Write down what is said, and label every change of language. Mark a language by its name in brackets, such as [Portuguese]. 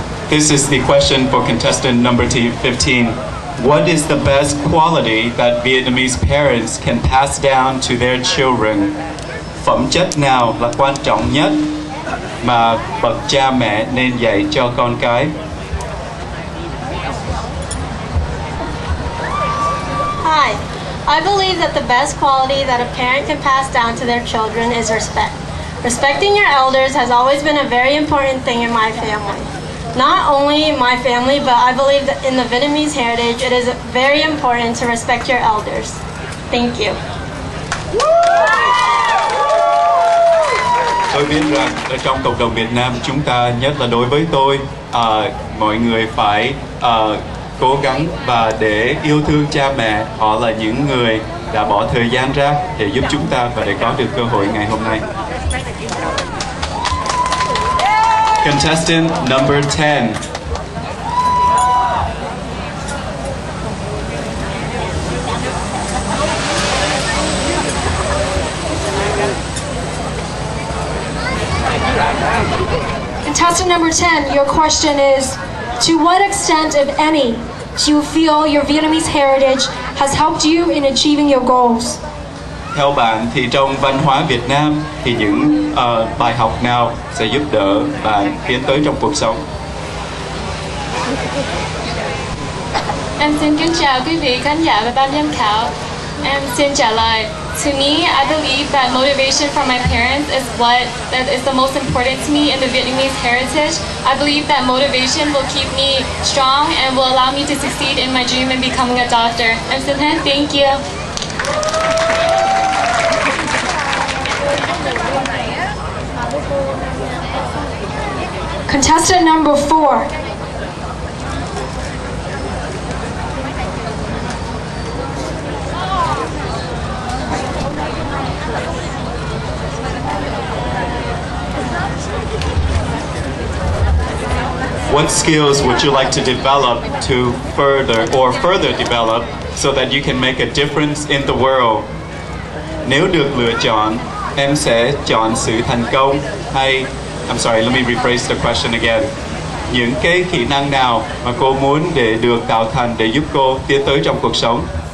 [English] This is the question for contestant number 15. What is the best quality that Vietnamese parents can pass down to their children? [Vietnamese] Phẩm chất nào là quan trọng nhất mà bậc cha mẹ nên dạy cho con cái? [English] Hi, I believe that the best quality that a parent can pass down to their children is respect. Respecting your elders has always been a very important thing in my family. Not only my family, but I believe that in the Vietnamese heritage, it is very important to respect your elders. Thank you. [Vietnamese] Tôi biết rằng ở trong cộng đồng Việt Nam chúng ta, nhất là đối với tôi, mọi người phải cố gắng và để yêu thương cha mẹ. Họ là những người đã bỏ thời gian ra để giúp chúng ta và để có được cơ hội ngày hôm nay. [English] Contestant number 10. Contestant number 10, your question is, to what extent, if any, do you feel your Vietnamese heritage has helped you in achieving your goals? [Vietnamese] Theo bạn thì trong văn hóa Việt Nam thì những bài học nào sẽ giúp đỡ bạn tiến tới trong cuộc sống? Em xin kính chào quý vị khán giả và ban giám khảo. Em xin trả lời. [English] To me, I believe that motivation from my parents is what that is the most important to me in the Vietnamese heritage. I believe that motivation will keep me strong and will allow me to succeed in my dream in becoming a doctor. [Vietnamese] Em xin hết. [English] Thank you. Contestant number 4. What skills would you like to develop to further or further develop so that you can make a difference in the world? [Vietnamese] Nếu được lựa chọn, em sẽ chọn sự thành công hay [English] I'm sorry, let me rephrase the question again. [Vietnamese] Những cái kỹ năng nào mà cô muốn để được tạo thành để giúp cô tiến tới trong cuộc sống?